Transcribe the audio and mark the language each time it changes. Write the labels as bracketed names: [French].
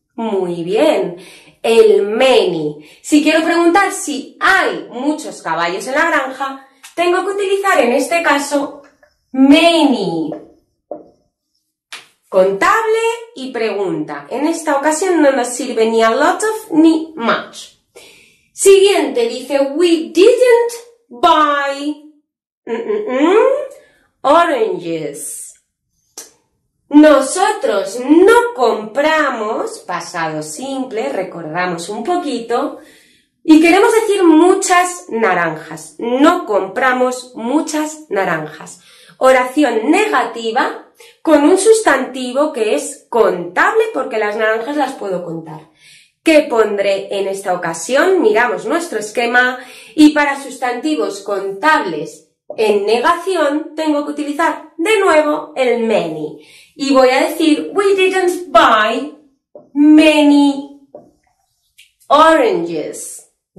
[Spanish] Muy bien. El many. Si quiero preguntar si hay muchos caballos en la granja, tengo que utilizar en este caso many. Contable y pregunta. En esta ocasión no nos sirve ni a lot of ni much. Siguiente, dice [English] we didn't buy oranges. [Spanish] Nosotros no compramos, pasado simple, recordamos un poquito, y queremos decir muchas naranjas. No compramos muchas naranjas. Oración negativa con un sustantivo que es contable, porque las naranjas las puedo contar. ¿Qué pondré en esta ocasión? Miramos nuestro esquema y para sustantivos contables en negación tengo que utilizar de nuevo el many. Y voy a decir, [English] we didn't buy many oranges.